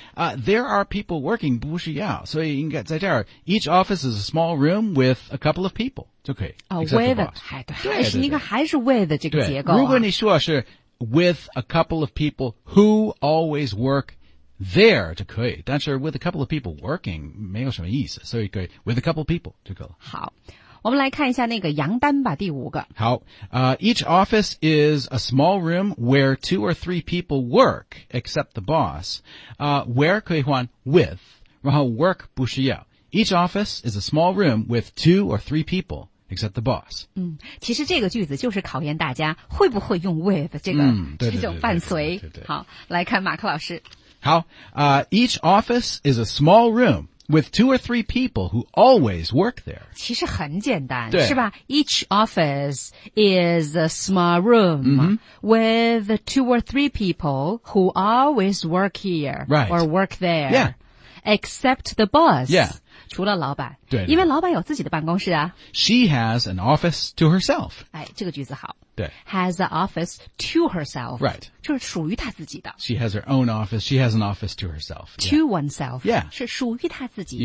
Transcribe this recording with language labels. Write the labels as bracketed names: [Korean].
[English] There are people working, [Chinese] 不是要。所以应该在这儿。 [English] Each office is a small room with a couple of people. [Chinese] 就可以。 [English] With, [Chinese] 对。你看还是 with 这个结构、啊。如果你说是 [English] with a couple of people who always work there [Chinese] 就可以。但是 [English] with a couple of people working, [Chinese] 没有什么意思。所以可以 [English] with a couple of people [Chinese] 就可以。好。我们来看一下那个杨丹吧，第五个。 [English] 好，each office is a small room where two or three people work, except the boss. [Chinese] Where 可以换 with, 然后 work 不需要。 [English] Each office is a small room with two or three people, except the boss. [Chinese] 嗯，其实这个句子就是考验大家会不会用 with 这个、嗯、对对对对这种伴随。对对对对对好，来看马克老师。 [English] 好，each office is a small room. With two or three people who always work there. [Chinese] 其实很简单对 [English] 是吧 ?Each office is a small room、 mm-hmm. with two or three people who always work here、 right. or work there. Yeah. Except the boss. Yeah. [Chinese] 除了老板。对, 对。因为老板有自己的办公室啊。 [English] She has an office to herself. [Chinese] 哎这个句子好。对 [English] has an office to herself. Right. [Chinese] 就是属于她自己的。 [English] She has her own office. She has an office to herself. To、 yeah. oneself. Yeah. [Chinese] 是属于她自己的。